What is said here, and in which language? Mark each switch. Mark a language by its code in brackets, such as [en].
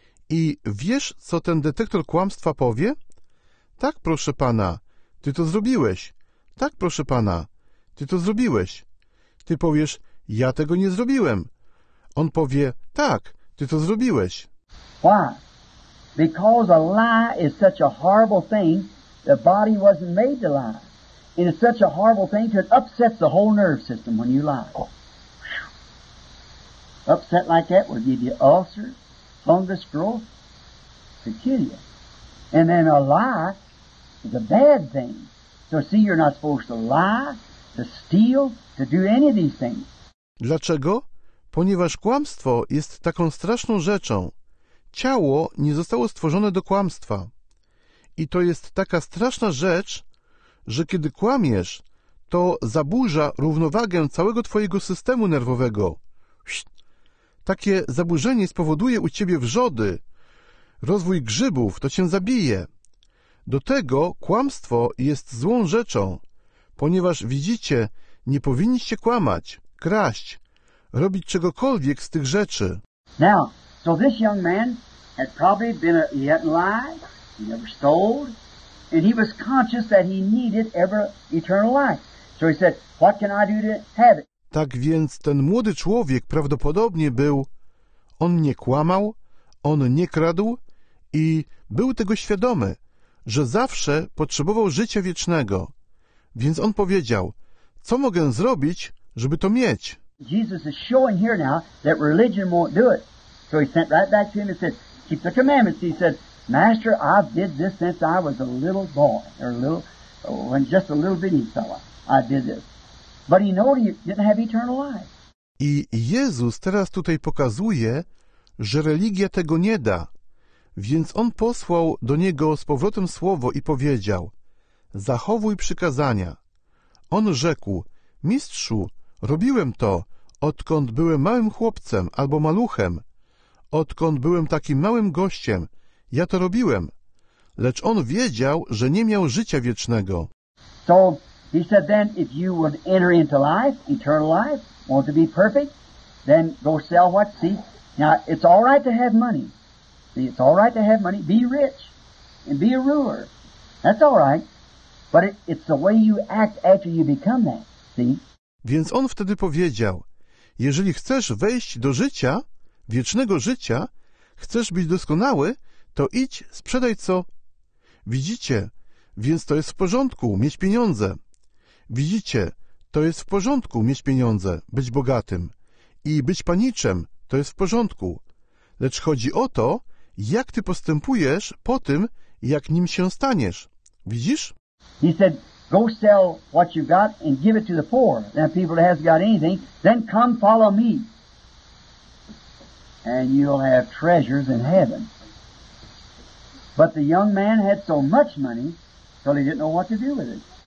[pl] I wiesz, co ten detektor kłamstwa powie? Tak, proszę pana, ty to zrobiłeś, tak, proszę pana, ty to zrobiłeś. Ty powiesz, ja tego nie zrobiłem. On powie, tak, ty to zrobiłeś. [en] Why? Because a lie is such a horrible thing, the body wasn't made to lie. And it's such a horrible thing that it upsets the whole nerve system when you lie. Upset like that would give you ulcer, fungus growth, could kill you. And then a lie is a bad thing. So see, you're not supposed to lie, to steal, to do any of these things. [pl] Dlaczego? Ponieważ kłamstwo jest taką straszną rzeczą. Ciało nie zostało stworzone do kłamstwa. I to jest taka straszna rzecz, że kiedy kłamiesz, to zaburza równowagę całego twojego systemu nerwowego. Takie zaburzenie spowoduje u ciebie wrzody. Rozwój grzybów, to cię zabije. Do tego kłamstwo jest złą rzeczą, ponieważ widzicie, nie powinniście kłamać, kraść, robić czegokolwiek z tych rzeczy. [en] Now, so this young man had probably been he hadn't lied, he never stole, and he was conscious that he needed ever eternal life. So he said, what can I do to have it? [pl] Tak więc ten młody człowiek prawdopodobnie był, on nie kłamał, on nie kradł i był tego świadomy, że zawsze potrzebował życia wiecznego. Więc on powiedział, co mogę zrobić, żeby to mieć? [en] Jesus is showing here now that religion won't do it. So he sent right back to him and said, keep the commandments. He said, Master, I've did this since I was a little boy, or a little, when just a little bitty fella, I did this. But he knew he didn't have eternal life. [pl] I Jezus teraz tutaj pokazuje, że religia tego nie da. Więc on posłał do niego z powrotem słowo i powiedział, zachowuj przykazania. On rzekł, Mistrzu, robiłem to, odkąd byłem małym chłopcem albo maluchem, odkąd byłem takim małym gościem, ja to robiłem. Lecz on wiedział, że nie miał życia wiecznego. [en] So, he said then, if you would enter into life, eternal life, want to be perfect, then go sell what, see? Now, it's all right to have money. See, it's all right to have money. Be rich and be a ruler. That's all right. But it's the way you act after you become that. See? [pl] Więc on wtedy powiedział, jeżeli chcesz wejść do życia, wiecznego życia, Chcesz być doskonały? To idź, sprzedaj co. Widzicie, więc to jest w porządku, mieć pieniądze. Widzicie, to jest w porządku, mieć pieniądze, być bogatym. I być paniczem, to jest w porządku. Lecz chodzi o to, jak ty postępujesz po tym, jak nim się staniesz. Widzisz? [en] He said, go sell what you've got and give it to the poor, and people that hasn't got anything, then come follow me. And you'll have treasures in heaven. But the young man had so much money, so he didn't know what to do with it.